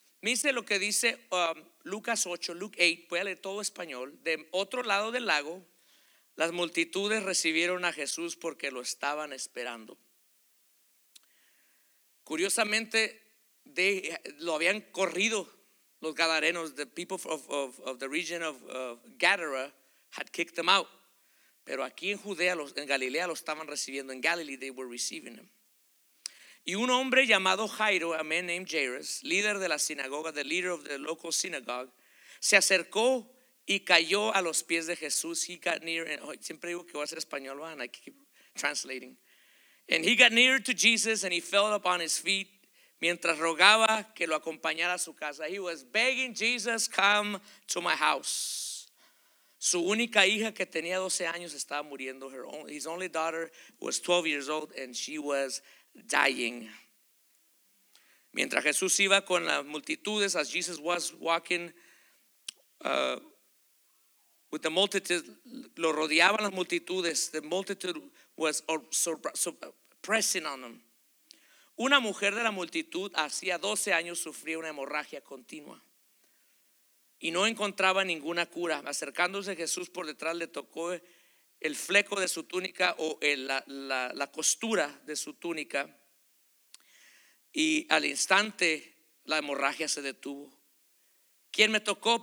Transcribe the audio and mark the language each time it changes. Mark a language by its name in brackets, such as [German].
[Spanish] Mire lo que dice Lucas 8, Luke 8, voy a leer todo español. De otro lado del lago, las multitudes recibieron a Jesús porque lo estaban esperando. Curiosamente, lo habían corrido. Los gadarenos, [English] the people of the region of Gadara had kicked them out. [Spanish] Pero aquí en Judea, en Galilea lo estaban recibiendo. [English] In Galilee they were receiving him. [Spanish] Y un hombre llamado Jairo, [English] a man named Jairus, [Spanish] líder de la sinagoga, [English] the leader of the local synagogue, [Spanish] se acercó y cayó a los pies de Jesús. [English] He got near, and, oh, [Spanish] siempre digo que voy a hacer español, [English] and I keep translating. And he got near to Jesus and he fell upon his feet. [Spanish] Mientras rogaba que lo acompañara a su casa. [English] He was begging Jesus, come to my house. [Spanish] Su única hija que tenía 12 años estaba muriendo. [English] His only daughter was 12 years old and she was dying. [Spanish] Mientras Jesús iba con las multitudes, [English] as Jesus was walking with the multitude, [Spanish] lo rodeaban las multitudes. [English] The multitude was pressing on him. [Spanish] Una mujer de la multitud hacía 12 años sufría una hemorragia continua y no encontraba ninguna cura. Acercándose Jesús por detrás le tocó el fleco de su túnica o la costura de su túnica y al instante la hemorragia se detuvo. ¿Quién me tocó?